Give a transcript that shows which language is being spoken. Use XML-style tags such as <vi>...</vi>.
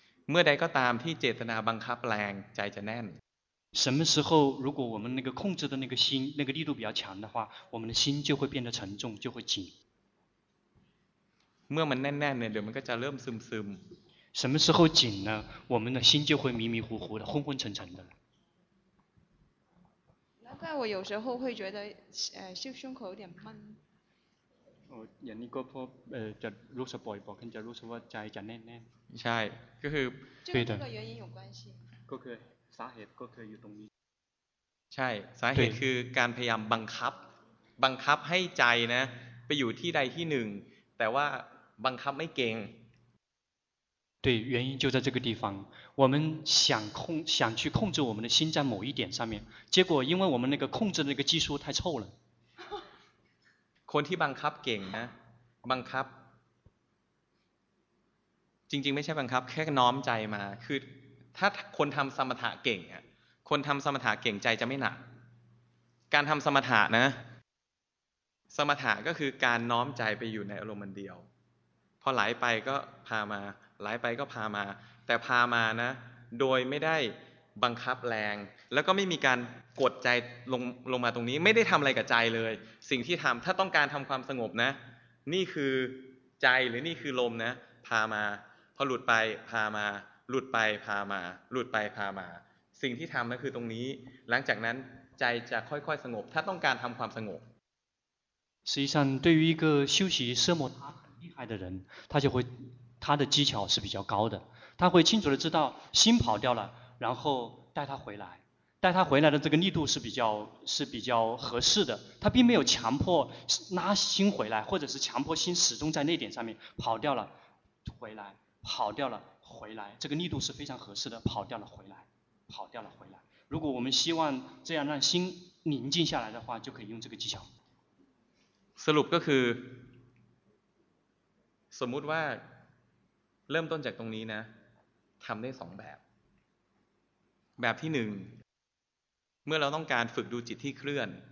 <th>เมื่อใดก็ตามที่เจตนาบังคับแรงใจจะแน่น。</th> <zh>什么时候如果我们那个控制的那个心那个力度比较强的话我们的心就会变得沉重就会紧</zh> <th>เมื่อมันแน่นๆเนี่ยเดี๋ยวมันก็จะเริ่มซึม</th> <zh>什么时候紧呢我们的心就会迷迷糊糊的昏昏沉沉的难怪我有时候会觉得胸口有点闷</zh> <th>อย่างนี้ก็เพราะจะรู้สึกบ่อยๆขึ้นจะรู้สึกว่าใจจะแน่นๆ ใช่ก็คือ</th> <zh>这个原因有关系</zh> <th>ก็คือสาเหตุก็คืออยู่ตรงนี้ ใช่สาเหตุคือการพยายามบังคับให้ใจนะไปอยู่ที่ใดที่หนึ่งแต่ว่าบังคับไม่เก่ง</th> <zh>对原因就在这个地方我们想去控制我们的心在某一点上面结果因为我们那个控制的那个技术太臭了</zh> <th>คนที่บังคับเก่งนะบังคับจริงๆไม่ใช่บังคับแค่น้อมใจมาคือถ้าคนทำสมถะเก่งอ่ะคนทำสมถะเก่งใจจะไม่หนักการทำสมถะนะ สมถะก็คือการน้อมใจไปอยู่ในอารมณ์เดียวพอไหลไปก็พามาไหลไปก็พามาแต่พามานะโดยไม่ได้บังคับแรงแล้วก็ไม่มีการกดใจลงมาตรงนี้ไม่ได้ทำอะไรกับใจเลยสิ่งที่ทำถ้าต้องการทำความสงบนะนี่คือใจหรือนี่คือลมนะพามาพอหลุดไปพามาหลุดไปพามาหลุดไปพามาสิ่งที่ทำก็คือตรงนี้หลังจากนั้นใจจะค่อยๆสงบถ้าต้องการทำความสงบ</th> <zh>实际上对于一个修习奢摩他很厉害的人他就会他的技巧是比较高的他会清楚的知道心跑掉了然后带他回来的这个力度是比较合适的他并没有强迫拉心回来或者是强迫心始终在那点上面跑掉了回来跑掉了回来，这个力度是非常合适的。跑掉了回来，跑掉了回来。如果我们希望这样让心宁静下来的话，就可以用这个技巧。</zh> <th>สรุปก็คือสมมติว่าเริ่มต้นจากตรงนี้นะทำได้สองแบบแบบที่หนึ่งเมื่อเราต้องการฝึกดูจิตที่เคลื่อน</th>